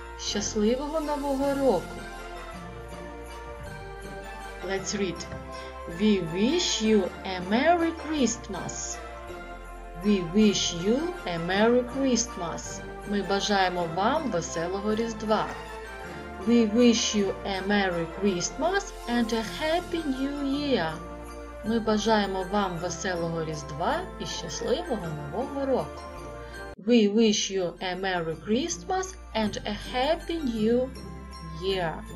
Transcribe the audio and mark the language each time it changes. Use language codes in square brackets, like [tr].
[uk] Щасливого Нового року. [en] Let's read. We wish you a Merry Christmas. We wish you a Merry Christmas. [uk] Ми бажаємо вам веселого Різдва. [en] We wish you a Merry Christmas and a Happy New Year. [uk] Ми бажаємо вам веселого Різдва і щасливого Нового року. [en] We wish you a Merry Christmas and a Happy New Year.